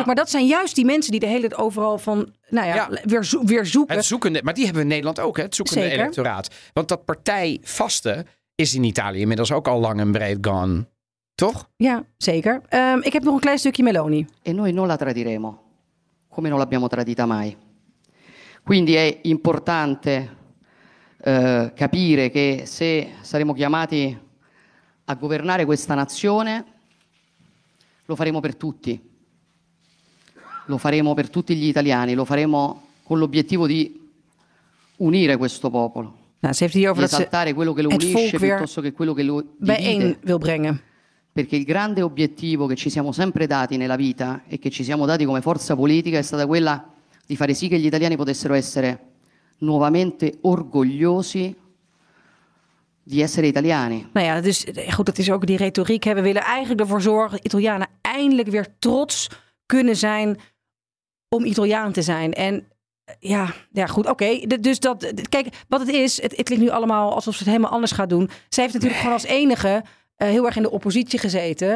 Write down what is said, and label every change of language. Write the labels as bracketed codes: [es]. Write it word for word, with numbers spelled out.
[nl] ik. Maar dat zijn juist die mensen die de hele tijd overal van, nou ja, ja. Weer, zo- weer zoeken. Het zoekende, maar die hebben we in Nederland ook, hè? Het zoekende Zeker. Electoraat. Want dat partijvaste is in Italië inmiddels ook al lang en breed gone. Toch? Ja, zeker. Um, ik heb nog een klein stukje Meloni. [it] E noi non la tradiremo. Come non l'abbiamo tradita mai. Quindi è importante Uh, capire che se saremo chiamati a governare questa nazione lo faremo per tutti, lo faremo per tutti gli italiani, lo faremo con l'obiettivo di unire questo popolo, [nl] nou, ze heeft hier over [it] di esaltare quello che lo unisce piuttosto che quello che lo divide, [nl] wil brengen. [it] Perché il grande obiettivo che ci siamo sempre dati nella vita e che ci siamo dati come forza politica è stata quella di fare sì che gli italiani potessero essere nuovamente orgogliosi di essere italiani. [nl] Nou ja, dus goed, dat is ook die retoriek. Hè. We willen eigenlijk ervoor zorgen dat Italianen eindelijk weer trots kunnen zijn om Italiaan te zijn. En ja, ja goed, oké. Okay. Dus dat, kijk, wat het is, het, het klinkt nu allemaal alsof ze het helemaal anders gaat doen. Zij heeft natuurlijk gewoon als enige Uh, heel erg in de oppositie gezeten.